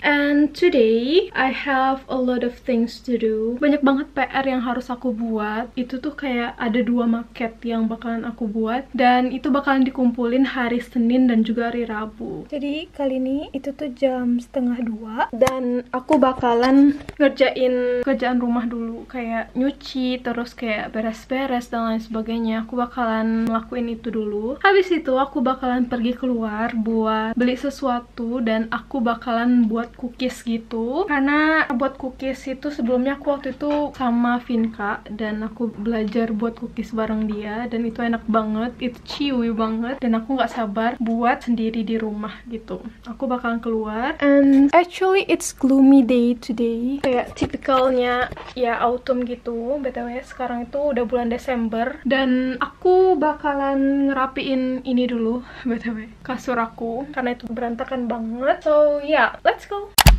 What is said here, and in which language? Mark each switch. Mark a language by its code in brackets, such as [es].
[en] And today, I have a lot of things to do. [id] Banyak banget PR yang harus aku buat. Itu tuh kayak ada dua maket yang bakalan aku buat. Dan itu bakalan dikumpulin hari Senin dan juga hari Rabu. Jadi, kali ini itu tuh jam 1:30. Dan aku bakalan ngerjain kerjaan rumah dulu. Kayak nyuci, terus kayak beres-beres dan lain sebagainya. Aku bakalan lakuin itu dulu. Habis itu aku bakalan pergi keluar buat beli sesuatu dan aku bakalan buat cookies gitu. Karena buat cookies itu sebelumnya aku waktu itu sama Vinka dan aku belajar buat cookies bareng dia dan itu enak banget, itu chewy banget dan aku nggak sabar buat sendiri di rumah gitu. Aku bakalan keluar. [en] And actually it's gloomy day today. [id] Kayak typicalnya ya autumn gitu. BTW sekarang itu udah bulan Desember dan aku bakalan ngerapiin ini dulu, btw, kasur aku, karena itu berantakan banget. [en] So yeah, let's go.